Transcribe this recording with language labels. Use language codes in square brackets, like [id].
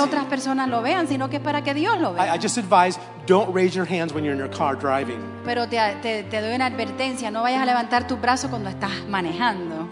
[es] Otras personas lo vean, sino que es para que Dios lo vea. [en] I just advise, don't raise your hands when you're in your car driving. [es] Pero te doy una advertencia, no vayas a levantar tu brazo cuando estás manejando.